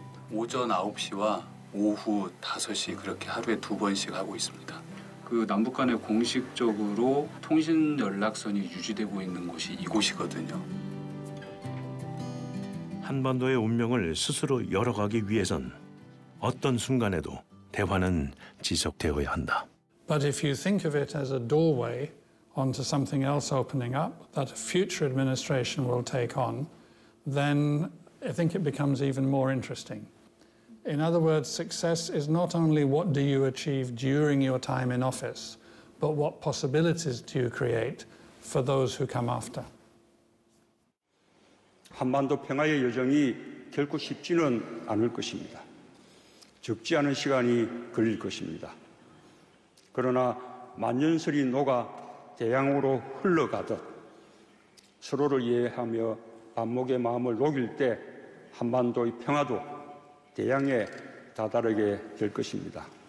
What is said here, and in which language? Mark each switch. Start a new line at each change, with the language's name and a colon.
Korean: 오전 9시와 오후 5시 그렇게 하루에 두 번씩 하고 있습니다. 그 남북 간에 공식적으로 통신 연락선이 유지되고 있는 곳이 이곳이거든요. 한반도의 운명을 스스로 열어가기 위해선 어떤 순간에도 대화는 지속되어야 한다.
English: But if you think of it as a doorway onto something else opening up that a future administration will take on, then I think it becomes even more interesting. In other words, success is not only what do you achieve during your time in office, but what possibilities do you create for those who come after.
Korean: 한반도 평화의 여정이 결코 쉽지는 않을 것입니다. 적지 않은 시간이 걸릴 것입니다. 그러나 만년설이 녹아 대양으로 흘러가듯 서로를 이해하며 반목의 마음을 녹일 때 한반도의 평화도 대양에 다다르게 될 것입니다.